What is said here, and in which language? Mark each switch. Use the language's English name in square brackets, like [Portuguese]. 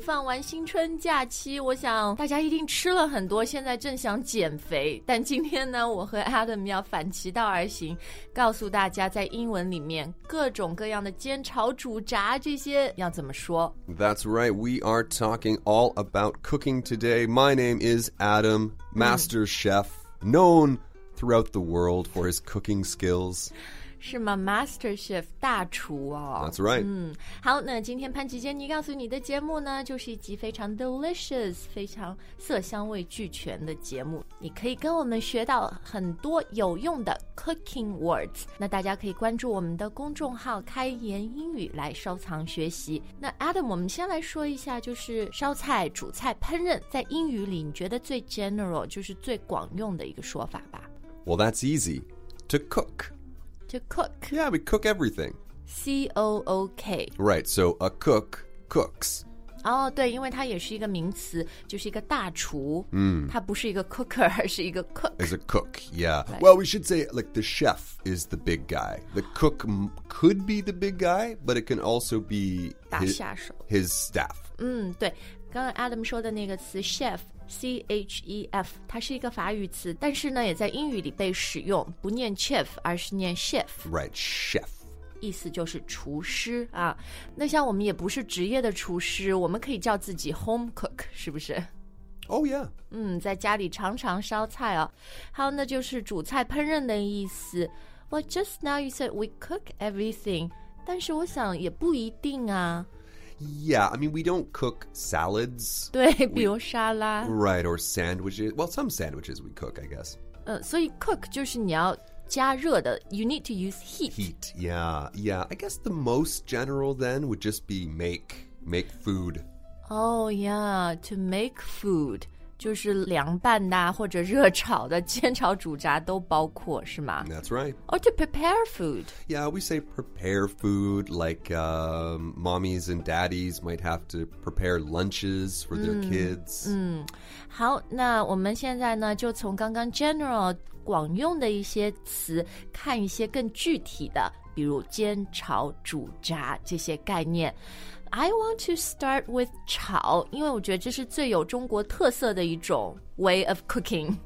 [Chinese] 放完新春假期，我想大家一定吃了很多，现在正想减肥。但今天呢，我和 Adam 要反其道而行，告诉大家在英文里面各种各样的煎炒煮炸这些要怎么说。 [English] That's right, we are talking all about cooking today. My name is Adam, Master Chef, known throughout the world for his cooking skills. [Chinese] 是吗 ?Master Chef 大厨哦。 [English] That's right. [Chinese] 好，那今天潘吉坚尼告诉你的节目呢，就是一集非常 [English] delicious, [Chinese] 非常色香味俱全的节目。你可以跟我们学到很多有用的 [English] cooking words。 [Chinese] 那大家可以关注我们的公众号开言英语来收藏学习。那 Adam, 我们先来说一下，就是烧菜、煮菜、烹饪在英语里你觉得最 [English] general, [Chinese] 就是最广用的一个说法吧。 [English] Well, that's easy. To cook. To cook. Yeah, we cook everything. C-O-O-K. Right, so a cook cooks. [Chinese] Oh, 对，因为它也是一个名词，就是一个大厨。它不是一个 cooker, 而是一个 cook. [English] It's a cook, yeah. Right. Well, we should say, like, the chef is the big guy. The cook could be the big guy, but it can also be his staff. [Chinese] 对，刚刚 Adam 说的那个词 chef,C-H-E-F, 它是一个法语词，但是呢也在英语里被使用，不念 chef, 而是念 chef. [English] Right, chef. [Chinese] 意思就是厨师啊。那像我们也不是职业的厨师，我们可以叫自己 [English] home cook, [Chinese] 是不是？ [English] Oh, yeah. [Chinese] 在家里常常烧菜哦。好，那就是煮菜烹饪的意思。 [English] Well, just now you said we cook everything, [Chinese] 但是我想也不一定啊。 [English] Yeah, I mean, we don't cook salads. [Chinese] 对，比如沙拉。 [English] Right, or sandwiches. Well, some sandwiches we cook, I guess. [Chinese] 所以 cook 就是你要加热的。 [English] You need to use heat. Heat, yeah, yeah. I guess the most general then would just be make food. Oh, yeah, to make food. [Chinese] 就是凉拌的或者热炒的煎炒煮炸都包括是吗 [English] That's right. Or to prepare food. Yeah, we say prepare food like mommies and daddies might have to prepare lunches for their kids. [Chinese] 好，那我们现在呢就从刚刚 [English] general [Chinese] 广用的一些词看一些更具体的，比如煎炒煮炸这些概念。 [English] I want to start with [Chinese] 炒，因为我觉得这是最有中国特色的一种 [English] way of cooking.